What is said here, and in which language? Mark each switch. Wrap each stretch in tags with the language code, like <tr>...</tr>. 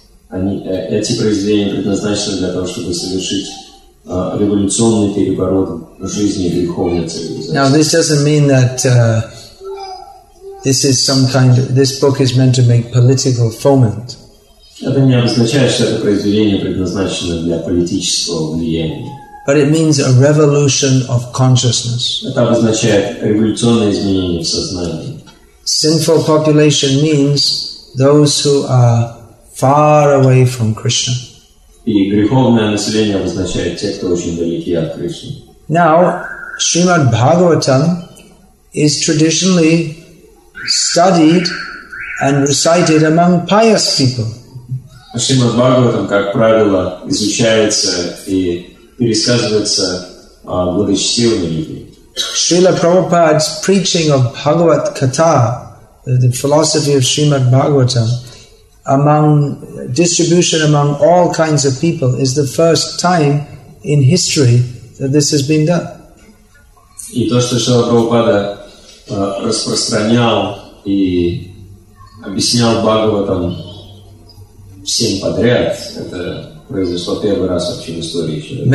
<ru>Эти произведения предназначены для того, чтобы совершить революционный переворот в жизни греховной цивилизации.</ru> <en>Now this doesn't mean that this book is meant to make political foment.</en> <ru>Это не означает, что это произведение предназначено для политического влияния.</ru> <en>But it means a revolution of consciousness.</en> <ru>Это обозначает революционное изменение в сознании.</ru> <en>Sinful population means those who are far away from Krishna.</en> <ru>И греховное население обозначает тех, кто очень далеки от Кришны.</ru> <en>Now, Srimad Bhagavatam is traditionally studied and recited among pious people.</en> <ru>Srimad Bhagavatam, как правило, изучается и пересказывается благочестивыми людьми.</ru> <en>Srila Prabhupada's preaching of Bhagavat Katha, the philosophy of Srimad Bhagavatam, among distribution among all kinds of people, is the first time in history that this has been done.</en> <ru>И то, что Шрила Прабхупада распространял и объяснял Бхагаватам всем подряд, это произошло первый раз вообще в истории человека.</ru>